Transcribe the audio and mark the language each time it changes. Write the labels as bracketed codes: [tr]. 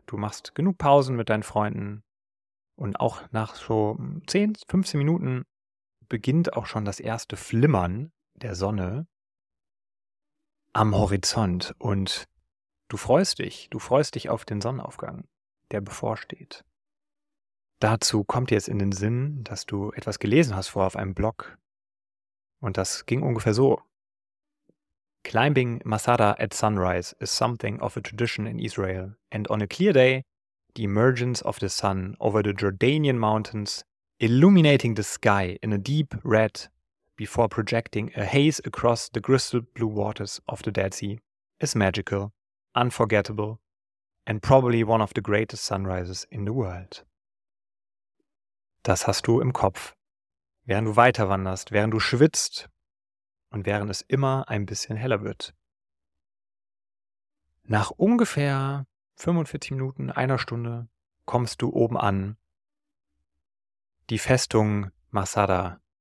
[de] Du machst genug Pausen mit deinen Freunden. Und auch nach so 10, 15 Minuten beginnt auch schon das erste Flimmern der Sonne am Horizont. Und du freust dich. Du freust dich auf den Sonnenaufgang, der bevorsteht. Dazu kommt jetzt in den Sinn, dass du etwas gelesen hast vorher auf einem Blog. Und das ging ungefähr so. [en] Climbing Masada at sunrise is something of a tradition in Israel. And on a clear day, the emergence of the sun over the Jordanian mountains, illuminating the sky in a deep red before projecting a haze across the crystal blue waters of the Dead Sea, is magical, unforgettable and probably one of the greatest sunrises in the world. [de] Das hast du im Kopf, während du weiterwanderst, während du schwitzt und während es immer ein bisschen heller wird. Nach ungefähr 45 Minuten, einer Stunde, kommst du oben an, die Festung Masada.